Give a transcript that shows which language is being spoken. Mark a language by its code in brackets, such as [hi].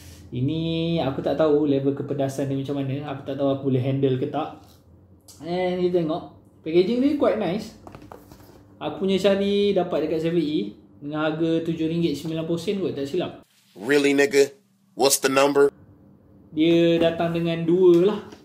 [ms] Ini aku tak tahu level kepedasan dia macam mana. Aku tak tahu aku boleh [en] handle [ms] ke tak. [en] And you [ms] tengok [en] packaging [ms] dia [en] quite nice. [ms] Aku punya cari dapat dekat 7E dengan harga RM7.90 kot, tak silap. [en] Really nigga? What's the number? [ms] Dia datang dengan dua lah.